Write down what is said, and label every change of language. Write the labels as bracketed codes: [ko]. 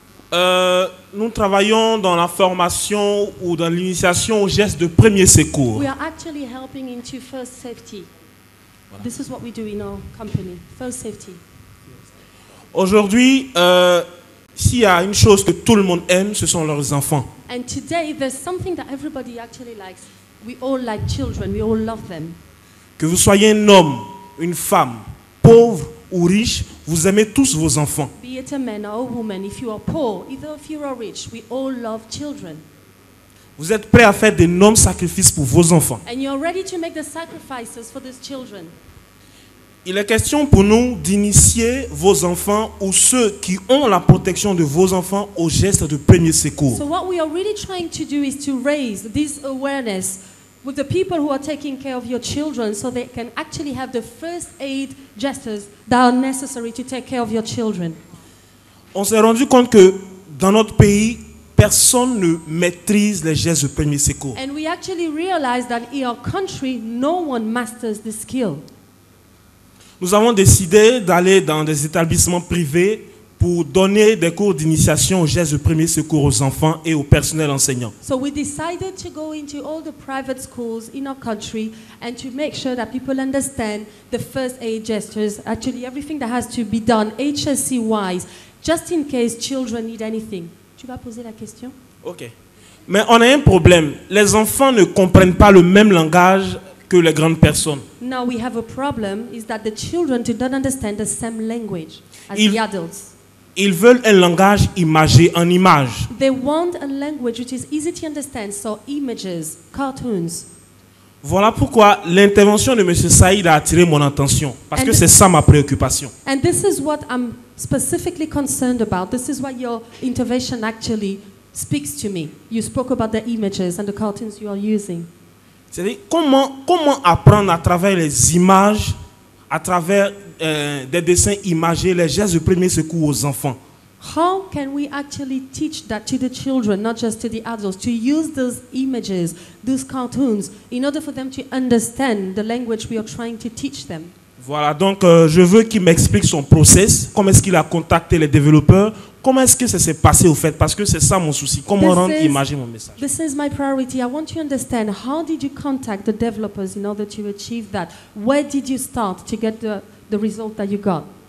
[fr] Nous travaillons dans la formation ou dans l'initiation aux gestes de premier secours. [en] We are actually helping into first safety. Voilà. This is what we do in our company, first safety. [fr] Aujourd'hui, s'il y a une chose que tout le monde aime, ce sont leurs enfants. [en] And today, there's something that everybody actually likes. We all like children. We all love them. [fr] Que vous soyez un homme, une femme, pauvre ou riche, vous aimez tous vos enfants. [en] Be it a man or a woman, if you are poor, either if you are rich, we all love children. [fr] Vous êtes prêt à faire d'énormes sacrifices pour vos enfants. [en] And you are ready to make the sacrifices for these children. [fr] Il est question pour nous d'initier vos enfants ou ceux qui ont la protection de vos enfants aux gestes de premier secours. [en] So what we are really trying to do is to raise this awareness with the people who are taking care of your children so they can actually have the first aid gestures that are necessary to take care of your children. [fr] On s'est rendu compte que dans notre pays, personne ne maîtrise les gestes de premier secours. [en] And we actually realized that in our country, no one masters the skill. [fr] Nous avons décidé d'aller dans des établissements privés pour donner des cours d'initiation aux gestes de premier secours aux enfants et au personnel enseignant. [en] So we decided to go into all the private schools in our country and to make sure that people understand the first aid gestures, actually everything that has to be done HSC wise, just in case children need anything. [fr] Tu vas poser la question? OK. Mais on a un problème. Les enfants ne comprennent pas le même langage que les grandes personnes. [en] Now we have a problem is that the children do not understand the same language as the adults. [fr] Ils veulent un langage imagé en images. [en] They want a language which is easy to understand, so images, cartoons. [fr] Voilà pourquoi l'intervention de Monsieur Saïd a attiré mon attention, parce que c'est ça ma préoccupation. [en] And this is what I'm specifically concerned about. This is why your intervention actually speaks to me. You spoke about the images and the cartoons you are using. [fr] C'est-à-dire comment apprendre à travers les images, à travers des dessins imagés, les gestes de premier secours aux enfants. [en] How can we actually teach that to the children, not just to the adults, to use those images, those cartoons, in order for them to understand the language we are trying to teach them? [fr] Voilà, donc je veux qu'il m'explique son process, comment est-ce qu'il a contacté les développeurs, comment est-ce que ça s'est passé au fait, parce que c'est ça mon souci, comment rendre imagé mon message. [en] This is my priority. I want to understand, how did you contact the developers in order to achieve that? Where did you start to get the result that you got?